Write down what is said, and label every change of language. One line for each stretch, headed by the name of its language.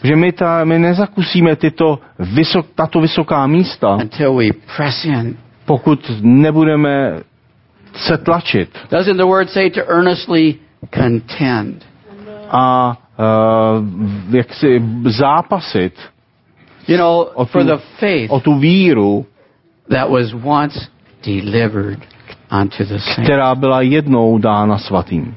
Czech: Protože my nezakusíme tato vysoká místa.
English: Until we press in.
Czech: Pokud nebudeme se tlačit.
English: Doesn't the word say to earnestly contend?
Czech: A jaksi zápasit,
English: you know, for the faith,
Czech: o tu víru,
English: that was once delivered unto the saints,
Czech: která byla jednou dána svatým.